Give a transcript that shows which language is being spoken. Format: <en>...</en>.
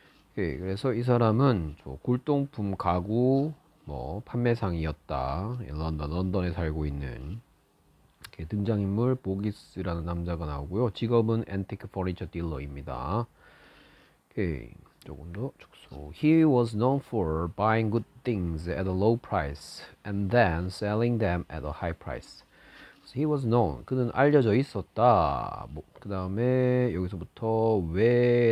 <ko>Okay, 그래서 이 사람은 저 골동품 가구 뭐 판매상이었다. 런던에 살고 있는 이렇게 등장인물 보기스라는 남자가 나오고요. 직업은 앤티크 퍼니처 딜러입니다. Okay, 조금 더 축소.</ko> <en>He was known for buying good things at a low price and then selling them at a high price. He was known.</en> <ko>그는 알려져 있었다. 뭐, 그 다음에 여기서부터 왜?</ko>